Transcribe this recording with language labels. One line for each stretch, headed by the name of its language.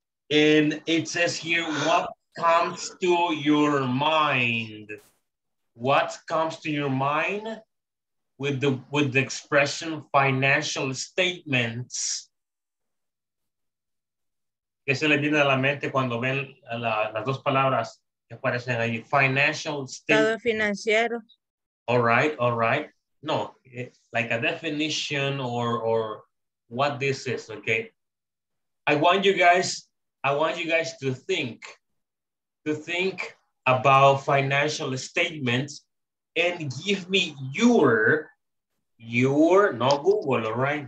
English: And it says here, what comes to your mind? What comes to your mind with the expression financial statements?
Spanish: ¿Qué se le viene a la mente cuando ven las dos palabras que aparecen ahí?
English: Financial
Spanish: statements. Todo financiero.
English: All right, all right. No, like a definition or what this is, okay? I want you guys to think about financial statements and give me your no Google, all right?